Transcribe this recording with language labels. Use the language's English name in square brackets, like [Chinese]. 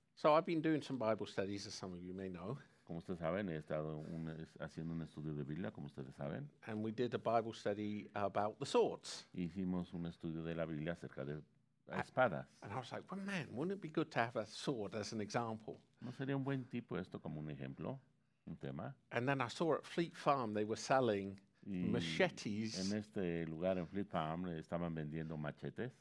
[English] So I've been doing some Bible studies, as some of you may know. [Spanish] Como ustedes saben, he estado haciendo un estudio de Biblia, como ustedes saben. [English] And we did a Bible study about the swords. [Spanish] Hicimos un estudio de la Biblia acerca de espadas. [English] And I was like, well, man, wouldn't it be good to have a sword as an example? [Spanish] ¿No sería un buen tipo esto como un ejemplo, un tema? [English] And then I saw at Fleet Farm they were selling machetes. [Spanish] En este lugar en Fleet Farm estaban vendiendo machetes.